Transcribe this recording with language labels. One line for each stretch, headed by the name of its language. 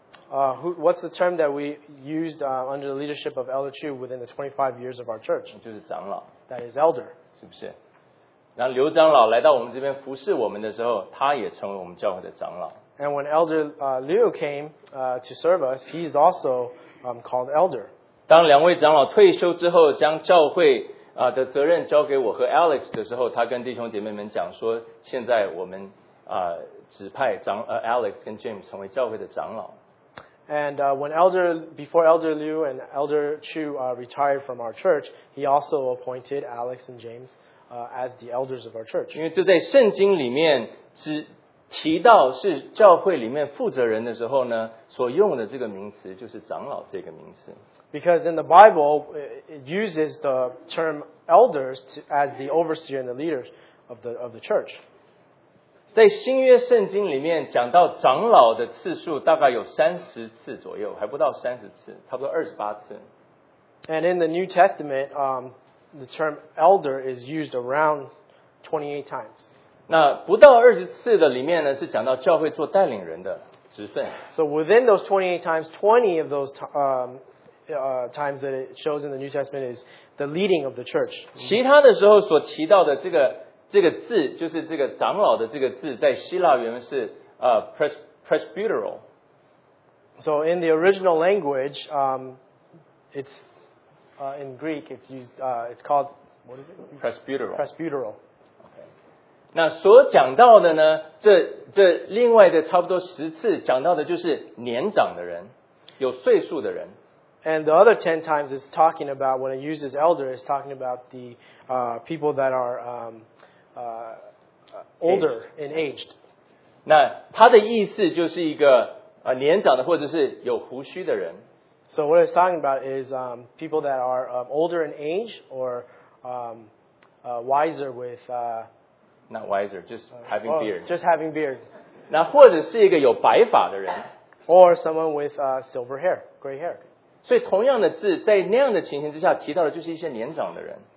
English: What's the term that we used under the leadership of Elder Chu within the 25 years of our church?
Chinese: 就是长老。
English: That is elder.
Chinese: 是不是？然后刘长老来到我们这边服侍我们的时候，他也成为我们教会的长老。
English: And when Elder Liu came to serve us, he is also called elder.
Chinese: 当两位长老退休之后，将教会的责任交给我和 Alex 的时候，他跟弟兄姐妹们讲说，现在我们指派Alex 跟 James 成为教会的长老。
English: And before Elder Liu and Elder Chu retired from our church, he also appointed Alex and James as the elders of our church.
Chinese: 因为这在圣经里面只提到是教会里面负责人的时候呢，所用的这个名词就是长老这个名词。
English: Because in the Bible, it uses the term elders as the overseer and the leaders of the church.
Chinese: 在新约圣经里面讲到长老的次数大概有30次左右，还不到30次，差不多28次。
English: And in the New Testament, the term elder is used around 28 times.
Chinese: 那不到20次的里面呢，是讲到教会做带领人的职分。
English: So within those 28 times, 20 of those times that it shows in the New Testament is the leading of the church.
Chinese: 其他的时候所提到的这个字就是这个长老的这个字，在希腊原文是presbyteral.
English: So in the original language, in Greek, it's used, it's called what is it? Presbyteral. Presbyteral. Okay.
Chinese: 那所讲到的呢，这另外的差不多十次讲到的就是年长的人，有岁数的人。
English: And the other 10 times it's talking about when it uses elder, it's talking about the people that are older and aged.
Chinese: 那他的意思就是一个年长的或者是有胡须的人。
English: So what it's talking about is people that are older in age or wiser with not wiser, just having beard. Just having beard.
Chinese: 那或者是一个有白发的人。
English: Or someone with silver hair, gray hair.
Chinese: 所以同样的字在那样的情形之下提到的就是一些年长的人。